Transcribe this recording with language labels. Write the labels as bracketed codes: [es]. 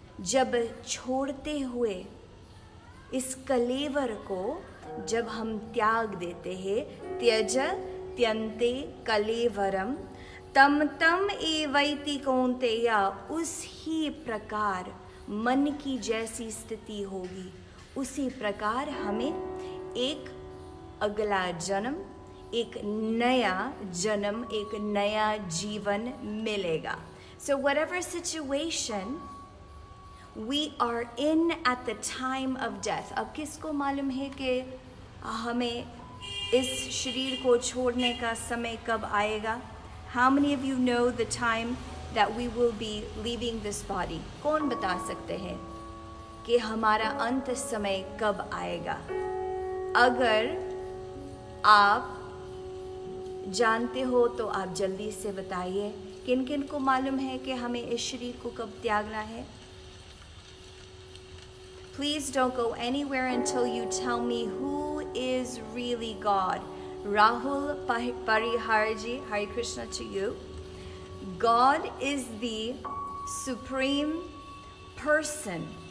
[hi] जब छोड़ते हुए इस कलेवर को जब हम त्याग देते हैं [sa] त्यज त्यन्ते कलेवरम तम तम एवैति कौन्तेय [hi] उस ही प्रकार मन की जैसी स्थिति होगी उसी प्रकार हमें एक अगला जन्म एक नया जन्म एक नया जीवन मिलेगा. [en] So whatever situation we are in at the time of death, [hi] अब किसको मालूम है कि हमें इस शरीर को छोड़ने का समय कब आएगा? [en] How many of you know the time that we will be leaving this body? [hi] कौन बता सकते हैं कि हमारा अंत समय कब आएगा? अगर आप जानते हो तो आप जल्दी से बताइए. किन किन को मालूम है कि हमें इस शरीर को कब त्यागना है? [en] Please don't go anywhere until you tell me who is really God. Rahul Parihar ji, Hare Krishna to you. God is the supreme person.